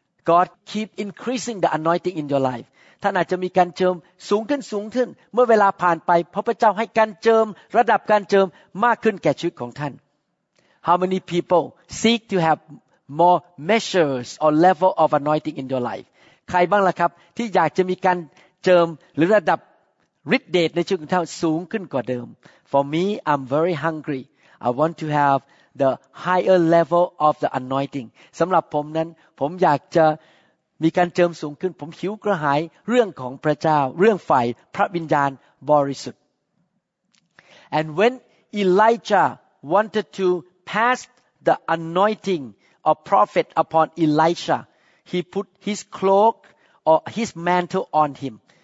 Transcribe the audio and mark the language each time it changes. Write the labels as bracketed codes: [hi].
[en] God keep increasing the anointing in your life [th] ท่านอาจจะมีการเจิมสูงขึ้นสูงขึ้นเมื่อเวลาผ่านไปพระเจ้าให้การเจิมระดับการเจิมมากขึ้นแก่ชีวิตของท่าน [en] how many people seek to have more measures or level of anointing in your life [th] ใครบ้างล่ะครับที่อยากจะมีการเจิมหรือระดับฤทธิ์เดชในชีวิตของท่านสูงขึ้นกว่าเดิม [en] For me, I'm very hungry. I want to have the higher level of the anointing. [th] สำหรับผมนั้นผมอยากจะมีการเจิมสูงขึ้นผมหิวกระหายเรื่องของพระเจ้าเรื่องฝ่ายพระวิญญาณบริสุทธิ์ [en] And when Elijah wanted to pass the anointing of prophet upon Elisha, he put his cloakOr his mantle on him.